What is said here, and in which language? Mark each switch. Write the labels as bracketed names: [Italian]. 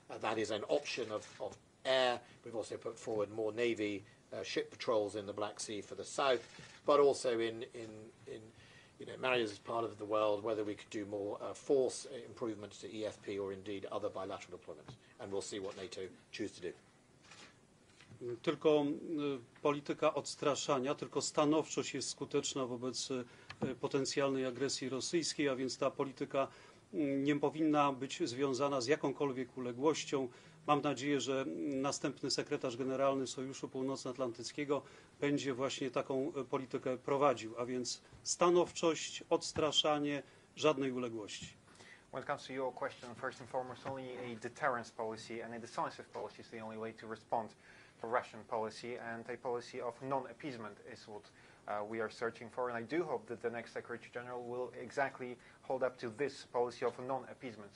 [English] That is an option of air. We've also put forward more Navy ship patrols in the Black Sea for the south, but also in you know, Mariusz is part of the world, whether we could do more force improvements to EFP or indeed other bilateral deployments. And we'll see what NATO choose to do. [Polish] Tylko polityka odstraszania, tylko stanowczość jest skuteczna wobec potencjalnej agresji rosyjskiej, a więc ta polityka nie powinna być związana z jakąkolwiek uległością. Mam nadzieję, że następny sekretarz generalny Sojuszu Północnoatlantyckiego będzie właśnie taką politykę prowadził, a więc stanowczość, odstraszanie, żadnej uległości. [English] When it comes to your question, first and foremost, only a deterrence policy and a decisive policy is the only way to respond to Russian policy, and a policy of non-appeasement is what we are searching for, and I do hope that the next Secretary General will exactly hold up to this policy of non-appeasement.